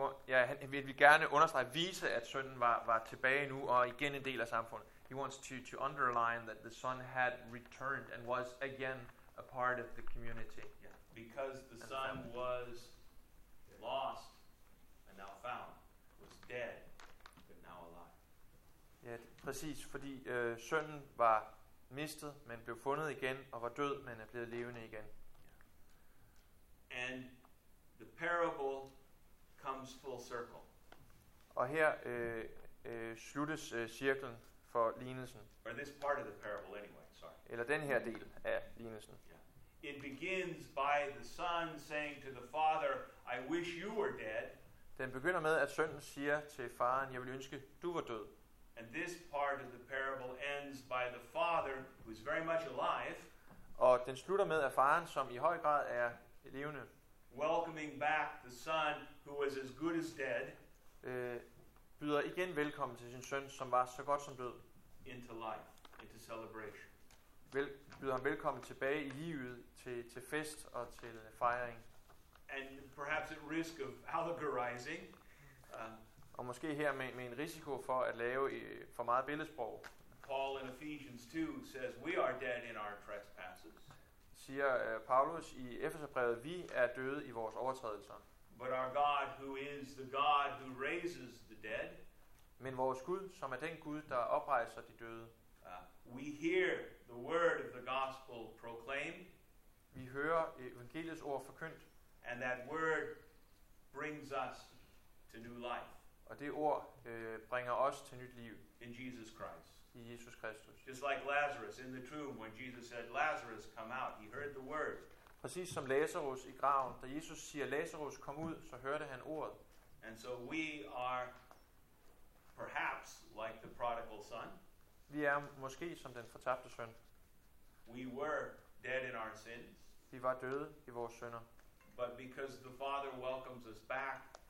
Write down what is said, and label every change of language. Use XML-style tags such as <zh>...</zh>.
<da>Han vil gerne understrege, vise, at sønnen var tilbage nu og igen en del af samfundet.</da> <en>He wants to underline that the son had returned and was again a part of the community. Yeah. Because the son was lost and now found, was dead but now alive.</en> <da>Ja, præcis, fordi sønnen var mistet, men blev fundet igen og var død, men er blevet levende igen.</da> <en>And the parable comes full circle.</en> <da>Og her sluttes cirklen for lignelsen.</da> <en>Or this part of the parable anyway, sorry.</en> <da>Eller den her del af lignelsen.</da> <en>Yeah. It begins by the son saying to the father, I wish you were dead.</en> <da>Den begynder med at sønnen siger til faren, jeg vil ønske du var død.</da> <en>And this part of the parable ends by the father who is very much alive.</en> <da>Og den slutter med at faren, som i høj grad er levende,</da> <en>welcoming back the son who was as good as dead.</en> <da>Byder igen velkommen til sin søn, som var så godt som død.</da> <en>Into life, into celebration.</en> <da>Byder ham velkommen tilbage i livet til fest og til fejring.</da> <en>And perhaps at risk of allegorizing.</en> <da>Og måske her med en risiko for at lave for meget billedsprog.</da> <en>Paul in Ephesians 2 says we are dead in our trespasses.</en> <da>Siger Paulus i Efeserbrevet, vi er døde i vores overtrædelser.</da> <en>But our God, who is the God who raises the dead.</en> <da>Men vores Gud, som er den Gud, der oprejser de døde.</da> <en>We hear the word of the gospel proclaimed.</en> <da>Vi hører evangeliets ord forkyndt.</da> <en>And that word brings us to new life.</en> <da>Og det ord bringer os til nyt liv.</da> <en>In Jesus Christ.</en> <da>I Jesus Kristus.</da> <en>Just like Lazarus in the tomb when Jesus said, Lazarus, come out. He heard the word.</en> <da>Præcis som Lazarus i graven, da Jesus siger, Lazarus, kom ud, så hørte han ordet.</da> <en>And so we are perhaps like the prodigal son.</en> <da>Vi er måske som den fortabte søn.</da> <en>We were dead in our sins.</en> <da>Vi var døde i vores synder.</da> <en>But because the Father welcomes us back,</en>